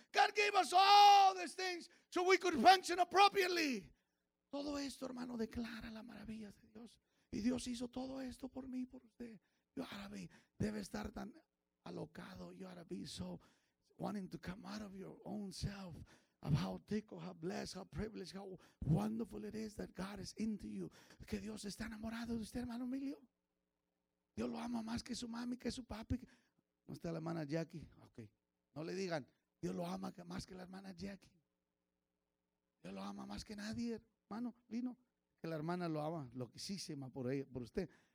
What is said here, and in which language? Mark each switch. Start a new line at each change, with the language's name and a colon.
English: God gave us all these things so we could function appropriately.
Spanish: Todo esto, hermano, declara la maravilla de Dios. Y Dios hizo todo esto por mí, por usted.
English: You ought to be,
Spanish: debe estar tan alocado.
English: You ought to be so wanting to come out of your own self of how tickled, how blessed, how privileged, how wonderful it is that God is into you.
Spanish: Que Dios está enamorado de usted, hermano Emilio. Dios lo ama más que su mami, que su papi. ¿No está la hermana Jackie? Okay. No le digan, Dios lo ama más que la hermana Jackie. Dios lo ama más que nadie, hermano Lino. Que la hermana lo ama, lo quisísima por ella, por usted.